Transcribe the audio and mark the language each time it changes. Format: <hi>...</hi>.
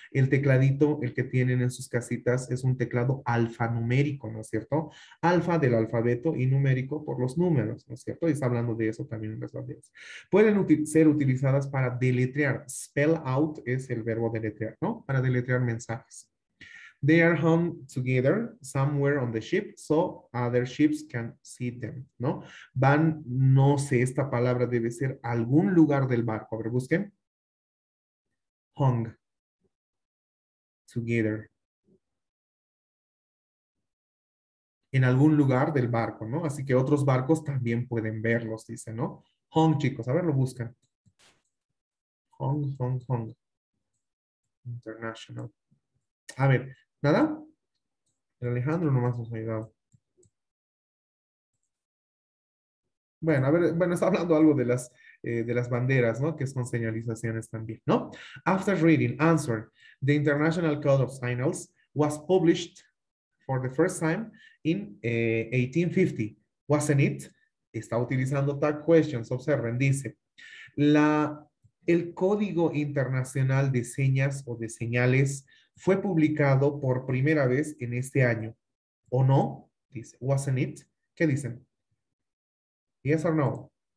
<es>El tecladito, el que tienen en sus casitas, es un teclado alfanumérico, ¿no es cierto? Alfa del alfabeto y numérico por los números, ¿no es cierto? Y está hablando de eso también en las banderas. Pueden ser utilizadas para deletrear, spell out es el verbo deletrear, ¿no? Para deletrear mensajes.</es> <en>They are home together somewhere on the ship so other ships can see them, ¿no?</en> <es>Van, no sé, esta palabra debe ser algún lugar del barco. A ver, busquen. Hung. Together. En algún lugar del barco, ¿no? Así que otros barcos también pueden verlos, dice, ¿no? Hung, chicos. A ver, lo buscan. Hung, hung, hung. International. A ver. ¿Nada? El Alejandro nomás nos ha ayudado. Bueno, a ver, bueno, está hablando algo de las banderas, ¿no? Que son señalizaciones también, ¿no?</es> <en>After reading, answer. The International Code of Signals was published for the first time in 1850. Wasn't it?</en> <es>Está utilizando tag questions, observen, dice. El Código Internacional de Señas o de Señales fue publicado por primera vez en este año. ¿O no? Dice,</es> <en>wasn't it?</en> <es>¿Qué dicen?</es> <en>Yes or no?</en>